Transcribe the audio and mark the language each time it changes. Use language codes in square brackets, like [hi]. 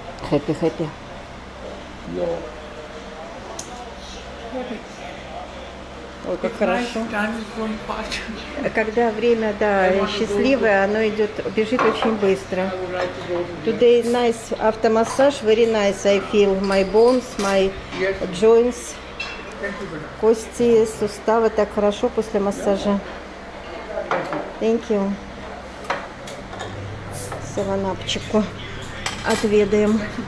[en] Хэппи-хэппи. [ru] Ой, как хорошо. Когда время, да, счастливое, оно идет, бежит очень быстро. [en] Today nice автомассаж, very nice. I feel my bones, my joints. [ru] Кости, суставы так хорошо после массажа. [en] Thank you. [ru] Саванапчику отведаем.